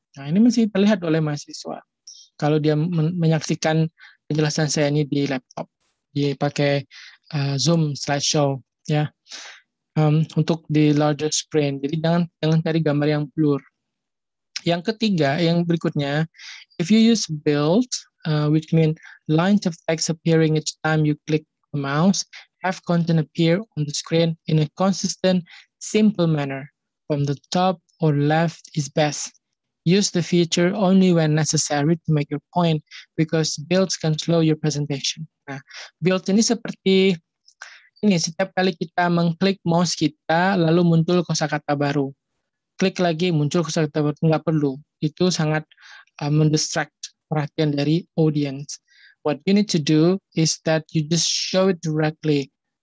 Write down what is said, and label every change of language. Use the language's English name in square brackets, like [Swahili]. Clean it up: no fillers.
[Indonesian] Nah, ini masih terlihat oleh mahasiswa. Kalau dia menyaksikan penjelasan saya ini di laptop. Dia pakai Zoom slideshow. Ya. Untuk di [English] larger screen. [Indonesian] Jadi jangan cari gambar yang blur. Yang ketiga, yang berikutnya. [English] If you use build, which means lines of text appearing each time you click the mouse, have content appear on the screen in a consistent, simple manner. From the top or left is best. Use the feature only when necessary to make your point because builds can slow your presentation. [Indonesian] Nah, build ini seperti ini, setiap kali kita mengklik mouse kita, lalu muncul kosakata baru. Klik lagi, muncul kosakata baru, nggak perlu. Itu sangat mendistract perhatian dari audience. [English] What you need to do is that you just show it directly.